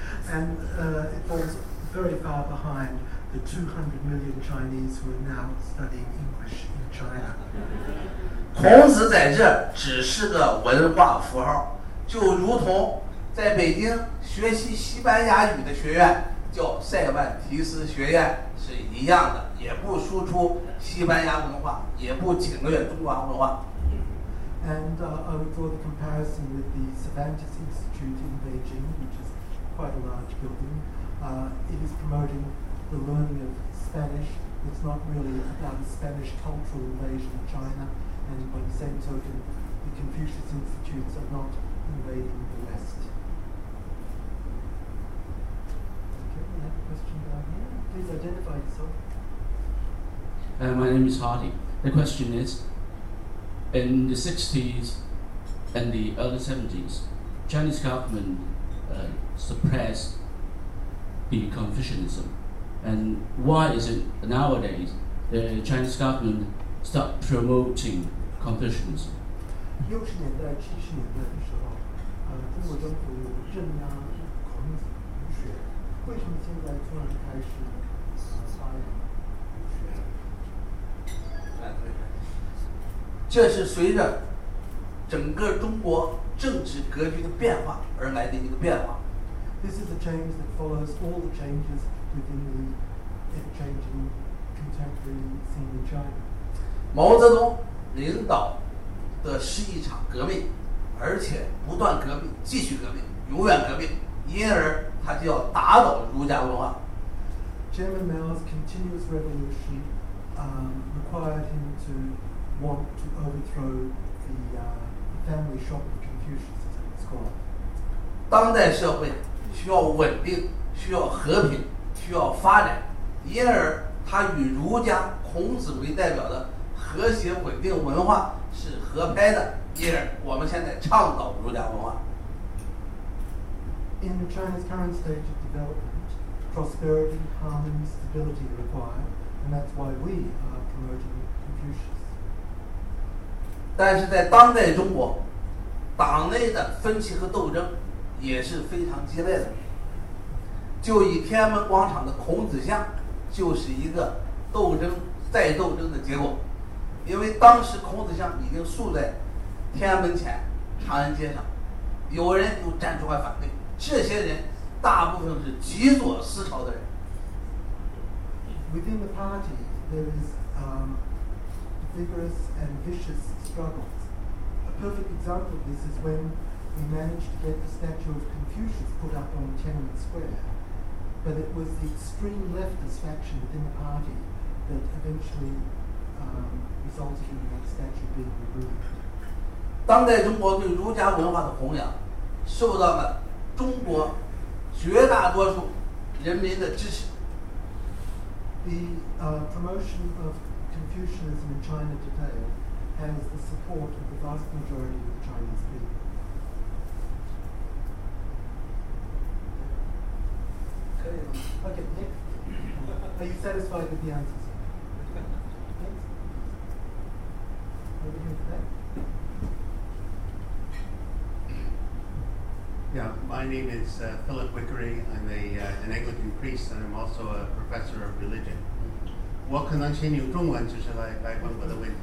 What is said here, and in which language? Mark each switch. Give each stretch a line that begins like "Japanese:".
English: And it falls very far behind the 200 million Chinese who are now studying English in China.
Chinese: 孔子在这只是个文化符号，就如同在北京学习西班牙语的学院叫塞万提斯学院是一样的，也不输出西班牙文化，也不侵略中华文化。
English: And I would draw the comparison with the Cervantes Institute in Beijing, which is quite a large building. It is promoting the learning of Spanish. It's not really about a Spanish cultural invasion of China. And by the same token, the Confucius Institutes are not invading the West. Okay, we have a question down here. Please identify yourself. My name is Hardy. The question is,in the 60s and the early 70s, Chinese government suppressed the Confucianism. And why is it nowadays the Chinese government start promoting Confucianism?
Chinese: 六十年代、七十年代的时候，中国政府有镇压孔子儒学，为什么现在突然开始发扬儒学？这是随着整个中国政治格局的变化而来的一个变化。
English: This is a change that follows all the changes within the ever-changing contemporary scene in China.
Chinese: 毛泽东领导的是一场革命，而且不断革命，继续革命，永远革命，因而他就要打倒儒家文化。
English: Chairman Mao's continuous revolution required him to. Want to overthrow the family shop of Confucianism, it's called.
Chinese: 当代社会需要稳定，需要和平，需要发展，因而他与儒家孔子为代表的和谐稳定文化是合拍的，因而我们现在倡导儒家文化。
English: In China's current stage of development, prosperity, harmony, stability are required, and that's why we are promoting Confucianism.
Chinese: 但是在当代中国，党内的分歧和斗争也是非常激烈的。就以天安门广场的孔子像，就是一个斗争再斗争的结果。因为当时孔子像已经竖在天安门前长安街上，有人又站出来反对，这些人大部分是极左思潮的人。
English: Within the party, there is vigorous and vicious. Struggles. A perfect example of this is when we managed to get the statue of Confucius put up on Tiananmen Square, but it was the extreme leftist faction within the party that eventually resulted in that statue being removed.
Chinese: 当代中国对儒家文化的弘扬受到了中国绝大多数人民的支持。
English: The promotion of Confucianism in China today. Has the support of the vast majority of the Chinese people. Okay, Nick, are you satisfied with the answers? Over here to that. Yeah, my name is Philip Wickery. I'm an Anglican priest and I'm also a professor of religion.
Chinese: 我可能先用中文就是来问我的问题。